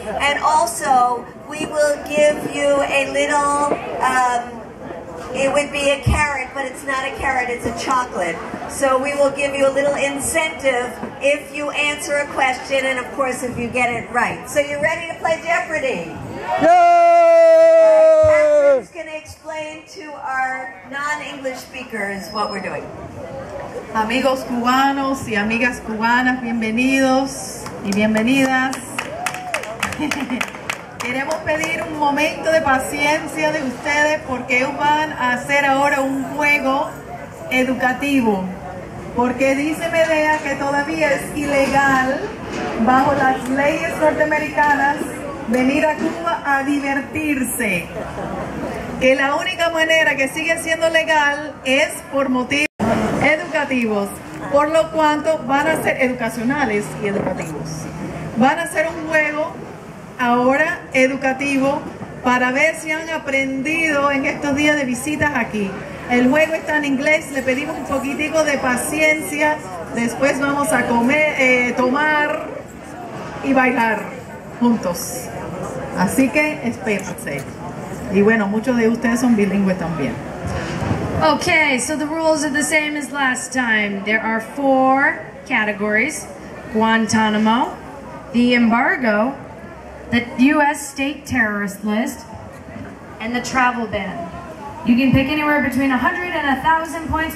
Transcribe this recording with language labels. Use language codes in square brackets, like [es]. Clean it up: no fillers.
[en] And also, we will give you a little, it would be a carrot, but it's not a carrot, it's a chocolate. So we will give you a little incentive if you answer a question, and of course if you get it right. So you ready to play Jeopardy? Yay! Catherine's going to explain to our non-English speakers what we're doing. [es] Amigos cubanos y amigas cubanas, bienvenidos y bienvenidas. Queremos pedir un momento de paciencia de ustedes porque ellos van a hacer ahora un juego educativo. Porque dice Medea que todavía es ilegal bajo las leyes norteamericanas venir a Cuba a divertirse. Que la única manera que sigue siendo legal es por motivos educativos. Por lo cuanto van a ser educacionales y educativos. Van a hacer un juego ahora educativo para ver si han aprendido en estos días de visitas aquí. El juego está en inglés, le pedimos un poquitico de paciencia. Después vamos a comer, tomar y bailar juntos. Así que espérense. Y bueno, muchos de ustedes son bilingües también. [en] Okay, so the rules are the same as last time. There are four categories. Guantanamo, the embargo, the U.S. state terrorist list, and the travel ban. You can pick anywhere between 100 and 1,000 points.